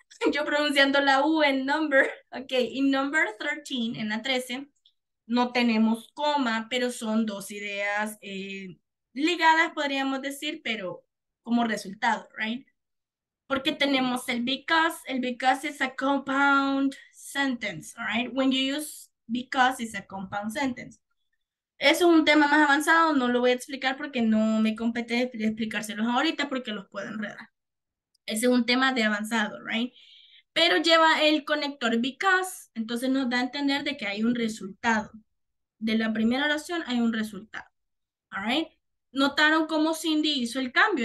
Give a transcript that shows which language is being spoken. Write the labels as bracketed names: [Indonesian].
[Spanish] Yo pronunciando la U en number, ok, en number 13, en la 13, no tenemos coma, pero son dos ideas ligadas, podríamos decir, pero como resultado, right? Porque tenemos el [English] because is a compound sentence, right? When you use because is a compound sentence. [Spanish] Eso es un tema más avanzado, no lo voy a explicar porque no me compete explicárselos ahorita porque los puedo enredar. Ese es un tema de avanzado, right? Pero lleva el conector because, entonces nos da a entender de que hay un resultado. De la primera oración hay un resultado. All right? ¿Notaron cómo Cindy hizo el cambio?